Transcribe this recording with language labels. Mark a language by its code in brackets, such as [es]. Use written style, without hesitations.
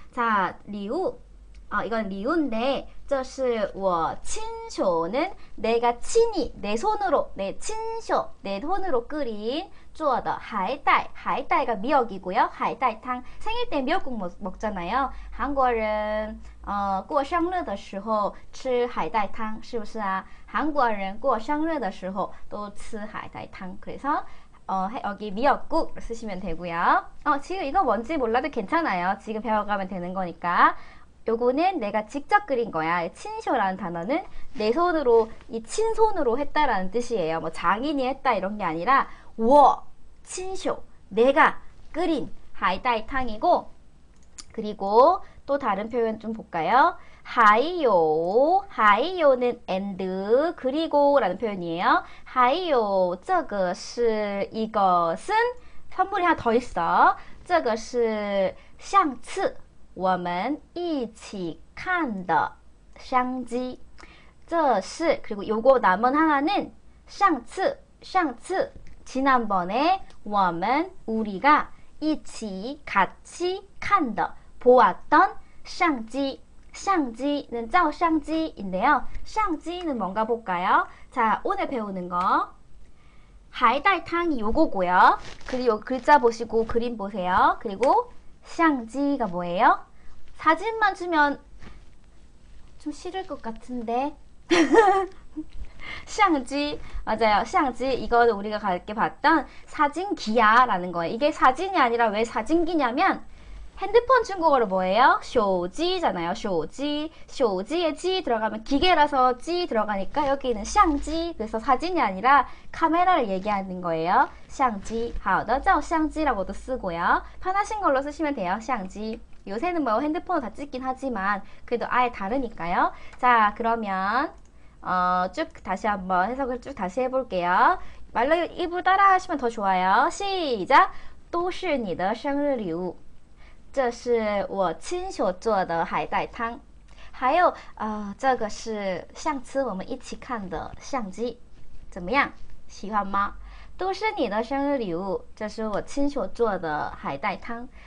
[ko] 자, 리우. 이건 리우인데, [zh] 这是我 [ko] 친쇼는 내가 친히 내 손으로 내 친쇼 내 손으로 끓인 쪼어더 하이따이 하이따이가 미역이고요. 하이따이탕 생일 때 미역국 먹잖아요. [zh] 한국人 过生日的时候吃海带汤是不是啊? 한국人过生日的时候都吃海带汤. [ko] 그래서 여기 미역국 쓰시면 되고요. 지금 이거 뭔지 몰라도 괜찮아요. 지금 배워가면 되는 거니까. 요거는 내가 직접 그린 거야. 친쇼라는 단어는 내 손으로 이 친손으로 했다라는 뜻이에요. 뭐 장인이 했다 이런 게 아니라 워 친쇼 내가 끓인 하이다이탕이고 그리고 또 다른 표현 좀 볼까요? 하이요 하이요는 and 그리고라는 표현이에요. 하이요 [zh] 这个是 [ko] 이것은 선물이 하나 더 있어. [zh] 这个是相册 我们一起看的相机. 这是 [ko] 그리고 요거 남은 하나는 上次 지난번에 우리가 一起 같이 看的 보았던 相机는 照相机인데요. 相机는 뭔가 볼까요? 자, 오늘 배우는 거 海带汤이 요거고요. 그리고 요 글자 보시고 그림 보세요. 그리고 相机가 뭐예요? 사진만 주면 좀 싫을 것 같은데. 相机, 맞아요. 相机, 이거는 우리가 가르쳐 봤던 사진기야라는 거예요. 이게 사진이 아니라 왜 사진기냐면 핸드폰 중국어로 뭐예요? 쇼지잖아요. 쇼지. 쇼지에 지 들어가면 기계라서 지 들어가니까 여기는 相机. 그래서 사진이 아니라 카메라를 얘기하는 거예요. [zh] 相机. [ko] 好的, 照相机라고도 쓰고요. 편하신 걸로 쓰시면 돼요. [zh] 相机. [ko] 요새는 뭐 핸드폰으로 다 찍긴 하지만 그래도 아예 다르니까요. 자, 그러면 쭉 다시 한번 해석을 쭉 다시 해볼게요. 말로 입으로 따라 하시면 더 좋아요. 시작! [zh] 都是你的生日礼物. 这是我亲手做的海带汤.还有, 这个是上次我们一起看的相机.怎么样?喜欢吗? 都是你的生日礼物.这是我亲手做的海带汤.